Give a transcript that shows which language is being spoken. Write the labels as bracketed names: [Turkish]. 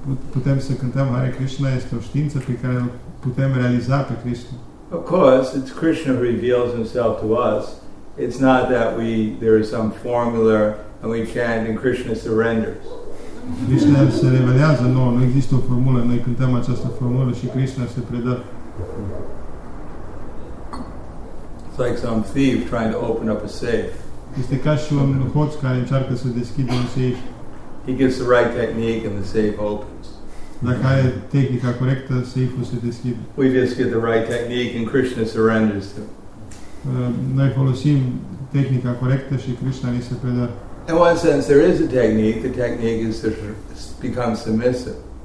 [Romanian] Putem să cântăm Hare Krishna este o știință pe care putem realiza pe Krishna. [English] Of course, it's Krishna who reveals himself to us. It's not that there is some formula and we chant and Krishna surrenders. [Romanian] Krishna se revelează, nu există o formulă, noi cântăm această formulă și Krishna se predă. [English] It's like some thief trying to open up a safe. [Romanian] Este ca și un hoț care încearcă să deschidă un safe. [English] He gives the right technique and the safe opens. [Romanian] Dacă ai tehnica corectă, safe-ul se deschide. [English] We just get the right technique and Krishna surrenders to. [Romanian] Noi folosim tehnica corectă și Krishna ni se predă. [English] In one sense, there is a technique. The technique is to become submissive.